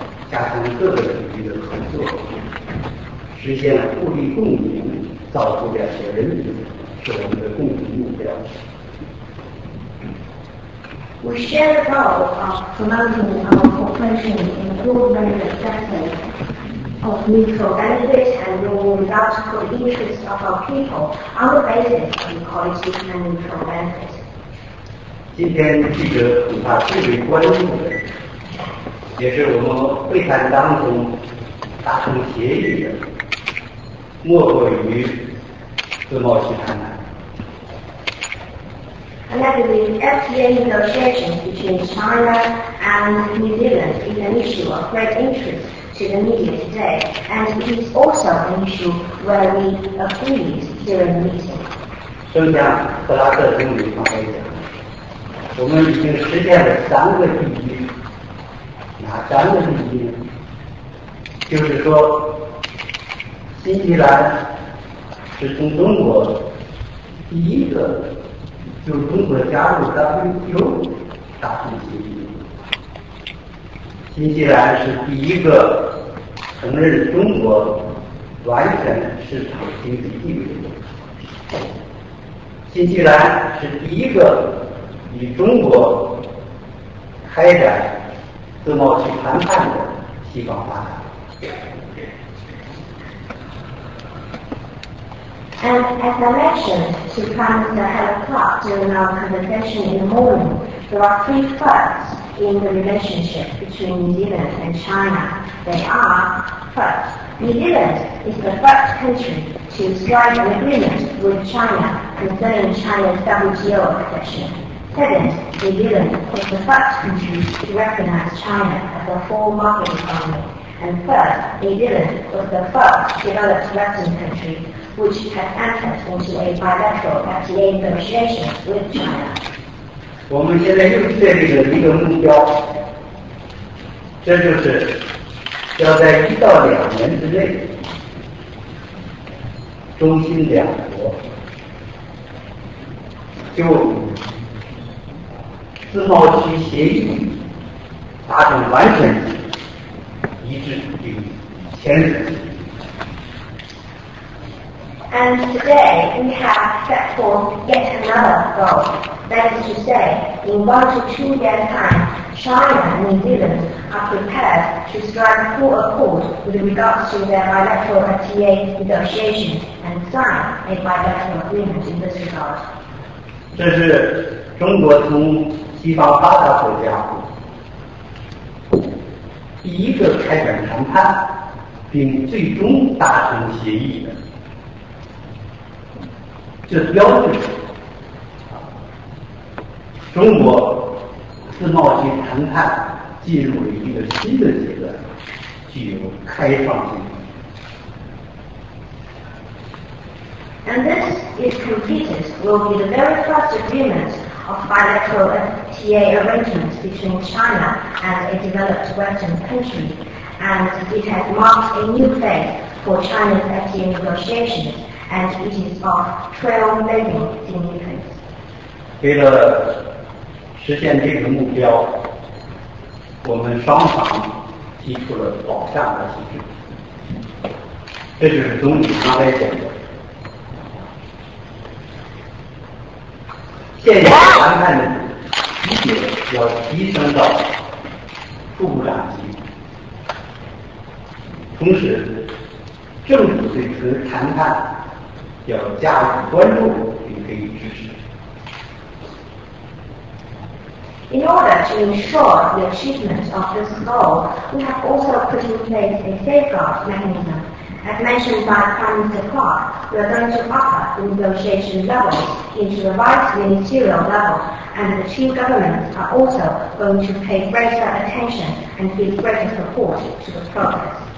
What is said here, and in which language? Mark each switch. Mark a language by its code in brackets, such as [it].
[zh] 加强各个领域的合作，实现互利共赢，造福两国人民，是我们的共同目标。 [en] We share the goal of promoting our cooperation in improving the assessment of mutual benefit and bringing about the interests of our people on the basis of equality and mutual benefit. [zh] 今天记者恐怕最为关注的也是我们会谈当中达成协议的，莫过于自贸区谈判。 [en] And that the FTA negotiations between China and New Zealand is an issue of great interest to the media today, and it is also an issue where we agreed during the meeting. [zh] 正像布拉克总理方面讲，我们已经实现了三个第一。哪三个第一呢？就是说，新西兰是从中国第一个就中国加入 WTO 达成协议，新西兰是第一个承认中国完全市场经济地位的，新西兰是第一个与中国开展自贸区谈判的西方发达。 [en] And as I mentioned to Prime Minister Helen Clark during our conversation in the morning, there are three firsts in the relationship between New Zealand and China. They are, first, New Zealand is the first country to strike an agreement with China concerning China's WTO accession. Second, New Zealand was the first country to recognize China as a full market economy. And third, New Zealand was the first developed Western country which had entered into a bilateral FTA negotiation with China. [zh] 我们现在又确立了一个目标，这就是要在一到两年之内，中新两国就自贸区协议达成完全一致并签署。 [en] And today we have set forth yet another goal. That is to say, in 1 to 2 years' time, China and New Zealand are prepared to strike full accord with regards to their bilateral FTA negotiations and sign a bilateral agreement in this regard. [zh] 这是中国从西方发达国家第一个开展谈判并最终达成协议的。这标志着中国自贸区谈判进入了一个新的阶段，具有开放性。 [en] And this, if completed, will be the very first agreement of bilateral FTA arrangements between China and a developed Western country, and it has marked a new phase for China's FTA negotiations. And it is of trailblazing significance. [zh] 为了实现这个目标，我们双方提出了保障的机制。这就是总理刚才讲的，现有谈判的理解要提升到副部长级，同时政府对此谈判。要加以关注并给予支持。 [en] In order to ensure the achievement of this goal, we have also put in place a safeguard mechanism. As mentioned by Prime Minister Clark, we are going to upper the negotiation level into the vice ministerial level, and the two governments are also going to pay greater attention and give greater support to the progress.